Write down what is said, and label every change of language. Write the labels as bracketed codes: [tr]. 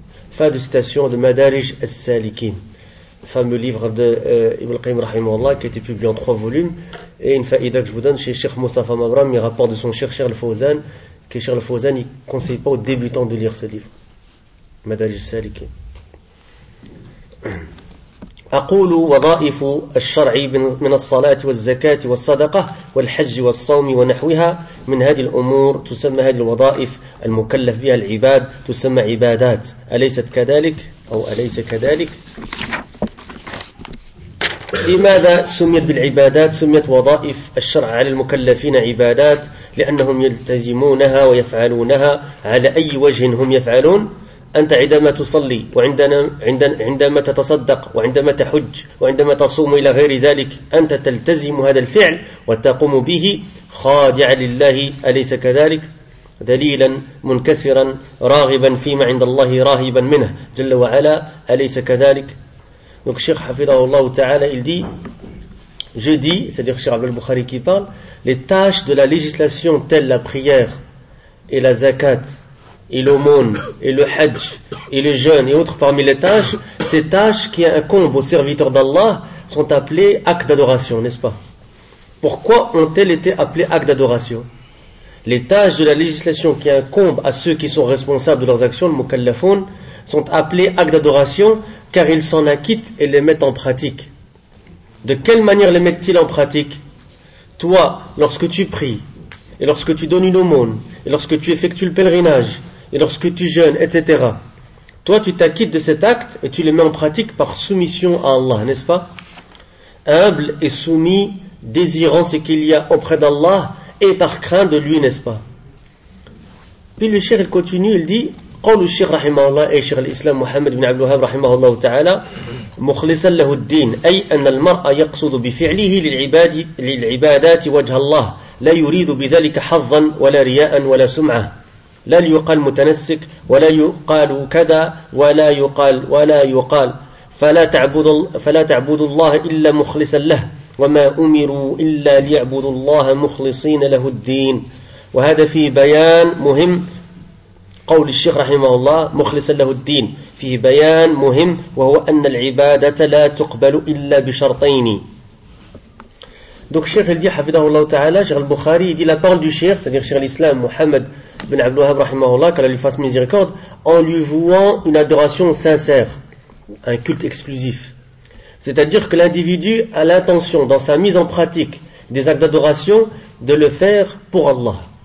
[fr] Fin de citation de Madarij al-Salikin, fameux livre de Ibn al-Qayyim rahimahullah, qui a été publié en 3 volumes. Et une faïda que je vous donne chez Cheikh Mustafa Mabram, il rapporte de son cher Cheikh al-Fawzan, que Cheikh al-Fawzan ne conseille pas aux débutants de lire ce livre, Madarij al-Salikin. [ar] أقول وظائف الشرع من الصلاة والزكاة والصدقة والحج والصوم ونحوها، من هذه الأمور تسمى، هذه الوظائف المكلف بها العباد تسمى عبادات، أليست كذلك أو أليس كذلك؟ لماذا سميت بالعبادات؟ سميت وظائف الشرع على المكلفين عبادات لأنهم يلتزمونها ويفعلونها على أي وجه هم يفعلون. أنت عندما تصلي وعندما تتصدق وعندما تحج وعندما تصوم إلى غير ذلك، أنت تلتزم هذا الفعل وتقوم به خاضعا لله، أليس كذلك؟ دليلا منكسرا راغبا فيما عند الله راهبا منه جل وعلا، أليس كذلك؟ دونك الشيخ حفظه الله تعالى [fr] il dit, je dis, c'est-à-dire Cheikh Abdul Bukhari qui parle, les tâches de la législation telles la prière et la zakat et l'aumône, et le hajj, et le jeûne, et autres parmi les tâches, ces tâches qui incombent aux serviteurs d'Allah sont appelées actes d'adoration, n'est-ce pas? Pourquoi ont-elles été appelées actes d'adoration? Les tâches de la législation qui incombent à ceux qui sont responsables de leurs actions, le mukallafun, sont appelées actes d'adoration car ils s'en acquittent et les mettent en pratique. De quelle manière les mettent-ils en pratique? Toi, lorsque tu pries, et lorsque tu donnes une aumône, et lorsque tu effectues le pèlerinage, et lorsque tu jeûnes, etc. Toi, tu t'acquittes de cet acte et tu les mets en pratique par soumission à Allah, n'est-ce pas? Humble et soumis, désirant ce qu'il y a auprès d'Allah et par crainte de lui, n'est-ce pas? Puis le cheikh, il continue, il dit, [ar] قول الشيخ رحمه الله أي شيخ الإسلام محمد بن عبد الوهاب رحمه الله تعالى مخلصا له الدين أي أن المرء يقصد بفعله للعبادات وجه الله لا يريد بذلك حظا ولا رياء ولا سمعة لا يقال متنسك ولا يقال كذا ولا يقال فلا تعبد الله إلا مخلصا له وما أمروا إلا ليعبدوا الله مخلصين له الدين وهذا في بيان مهم قول الشيخ رحمه الله مخلصا له الدين فيه بيان مهم وهو أن العبادة لا تقبل إلا بشرطين. [fr] Donc Cheikh il dit, [ar] حفظه الله تعالى, [fr] Cheikh al-Bukhari il dit, la parole du Cheikh, c'est-à-dire Cheikh al-Islam Muhammad bin Abdul Wahhab [ar] رحمه الله, [fr] qu'Allah lui fasse miséricorde, en lui vouant une adoration sincère, un culte exclusif. C'est-à-dire que l'individu a l'intention, dans sa mise en pratique des actes d'adoration, de le faire pour Allah.